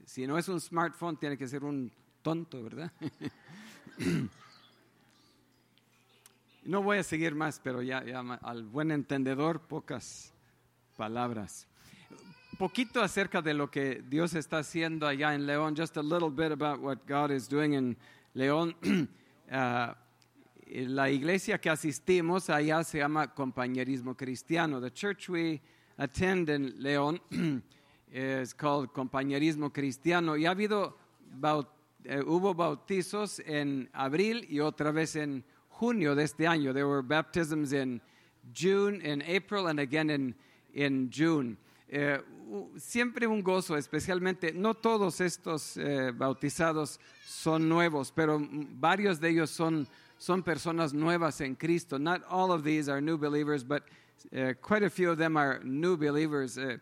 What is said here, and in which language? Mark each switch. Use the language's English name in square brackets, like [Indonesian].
[Spanish] Si no es un smartphone, tiene que ser un tonto, ¿verdad? No voy a seguir más, pero ya al buen entendedor, pocas palabras. Poquito acerca de lo que Dios está haciendo allá en León. [English] Just a little bit about what God is doing in León. [Spanish] La iglesia que asistimos allá se llama Compañerismo Cristiano. [English] The church we attend in León is called Compañerismo Cristiano. [Spanish] Y ha habido hubo bautizos en abril y otra vez en junio de este año. [English] There were baptisms in June, in April, and again in June. [Spanish] Siempre un gozo, especialmente, no todos estos bautizados son nuevos, pero varios de ellos son personas nuevas en Cristo. [English] Not all of these are new believers, but quite a few of them are new believers.